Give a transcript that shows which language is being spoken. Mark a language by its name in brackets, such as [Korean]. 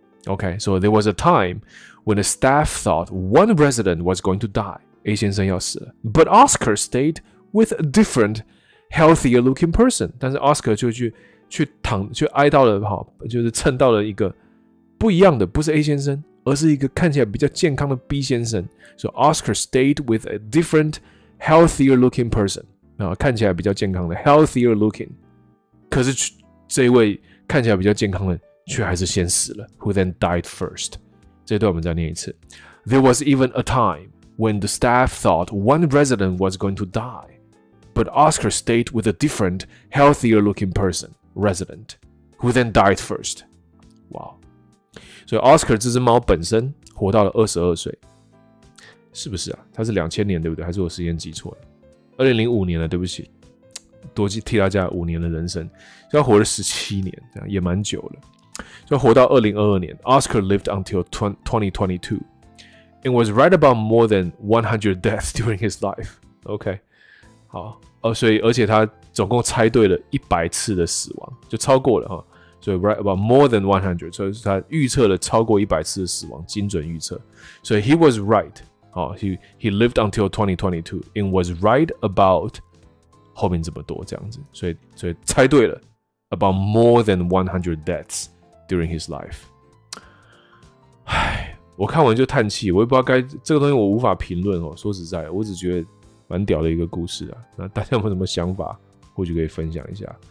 [English] Okay, so there was a time when the staff thought one resident was going to die, [Chinese] A 先生要死了 [English] but Oscar stayed with a different, healthier-looking person. [Chinese] 但是 Oscar 就去挨到了就是蹭到了一个不一样的，不是 A 先生，而是一个看起来比较健康的 B 先生。 [English] So Oscar stayed with a different, healthier-looking person. [Chinese] 看起来比较健康的 healthier-looking， 可是这位看起来比较健康的。却还是先死了 [English] who then died first. [Chinese] 这段我们再念一次。 [English] There was even a time when the staff thought one resident was going to die, but Oscar stayed with a different, healthier looking person, resident, who then died first. [Chinese] Wow. 所以 Oscar 这只猫本身活到了22岁。是不是啊？它是2000年对不对？还是我时间记错了？2005年了，对不起。多替大家5年的人生。所以他活了17年，这样也蛮久了。所以活到2022年， [English] Oscar lived until 2022. And was right about more than 100 deaths during his life. [Chinese] Okay. 好、所以而且他总共猜对了100次的死亡，就超过了哈。所以 [English] right about more than 100, [Chinese] 所以他预测了超过100次的死亡，精准预测。所以 [English] he was right. 好、he lived until 2022 and was right about [Chinese] 后面这么多这样子。所以猜对了 [English] about more than 100 deaths during his life. 唉。 [Chinese] 我看完就叹气，我也不知道该这个东西，我无法评论哦。说实在的，我只觉得蛮屌的一个故事啊。那大家有没有什么想法，或许可以分享一下。